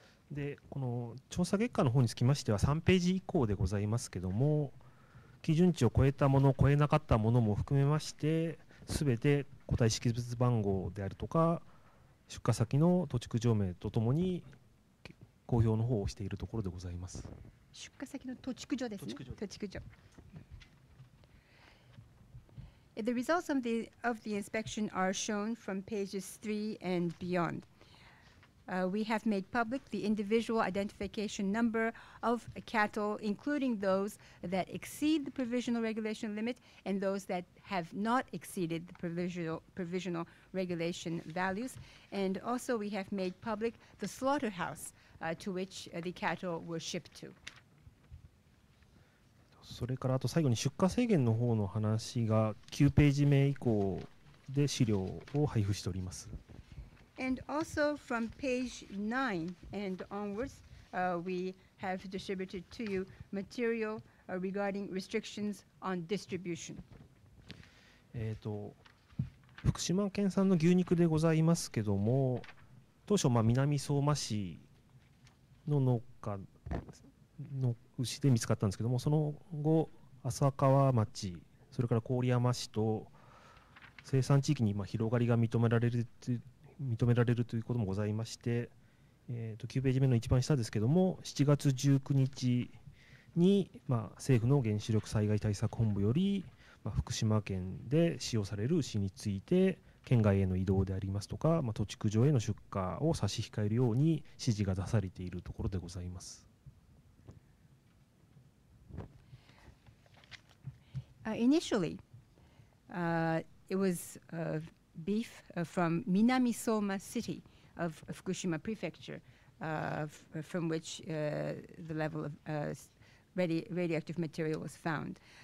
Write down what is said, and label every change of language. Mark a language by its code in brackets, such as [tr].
[ja] でこの調査結果の方につきましては3ページ以降でございますけども基準値を超えたもの超えなかったものも含めましてすべて個体識別番号であるとか出荷先の土地区条名とともに公表の方をしているところでございます出荷先の土地区条ですね土地区条 [en] The results of the inspection are shown from pages 3 and beyondWe have made public the individual identification number of cattle, including those that exceed the provisional regulation limit and those that have not exceeded the provisional regulation values. And also we have made public the slaughterhouse to which the cattle were shipped to. [ja] それからあと最後に出荷制限の方の話が9ページ目以降で資料を配布しております。 [en] And also from page 9 and onwards, we have distributed to you material regarding restrictions on distribution. [ja] 福島県産の牛肉でございますけども、当初まあ南相馬市の農家の牛で見つかったんですけども、その後浅川町、それから郡山市と生産地域にまあ広がりが認められるという認められるということもございまして、9ページ目の一番下ですけども7月19日に、まあ、政府の原子力災害対策本部より、まあ、福島県で使用される牛について県外への移動でありますとか、まあ、土地区場への出荷を差し控えるように指示が出されているところでございます。 [en] Initially, it was, beef from Minami Soma City of Fukushima Prefecture, from which the level of radioactive material was found.